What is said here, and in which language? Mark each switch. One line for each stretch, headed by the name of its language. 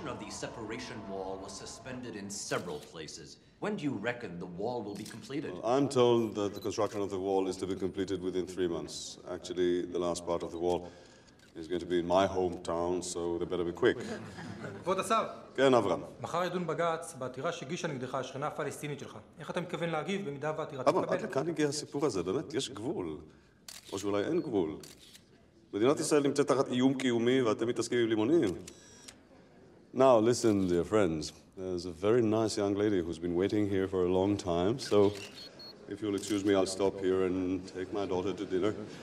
English: Separation wall was suspended in several places. When do you reckon the wall will be completed? Well, I'm told that the construction of the wall is to be completed within 3 months. Actually, the last part of the wall is going to be in my hometown, so they better be quick.
Hebrew: כבוד השר. כן, אברהם. מחר ידון בגץ בעתירה שגישה נגדך השכנה הפלסטינית שלך. איך אתה מתכוון להגיב במידה והעתירה תתקבל? אברהם, עד לכאן הגיע הסיפור הזה, באמת, יש גבול. או שאולי אין גבול. מדינת ישראל נמצאת תחת איום קיומי ואתם מתעסקים עם לימונים.
English: Now, listen, dear friends. There's a very nice young lady who's been waiting here for a long time. So, if you'll excuse me, I'll stop here and take my daughter to dinner.